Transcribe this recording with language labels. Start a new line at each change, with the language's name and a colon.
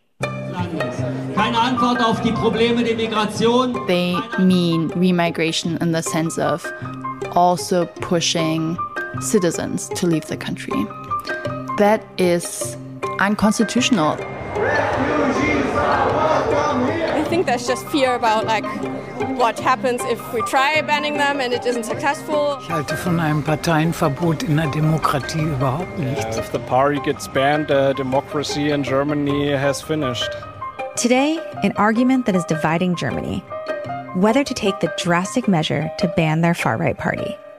English: They mean remigration in the sense of also pushing citizens to leave the country. That is unconstitutional. Refugees are welcome here! think there's just fear about like what happens if we try banning them and it isn't successful.
German: Ich halte von einem Parteienverbot in der Demokratie überhaupt nichts.
English: If the party gets banned, democracy in Germany has finished. Today, an argument that is dividing Germany. Whether to take the drastic measure to ban their far-right party.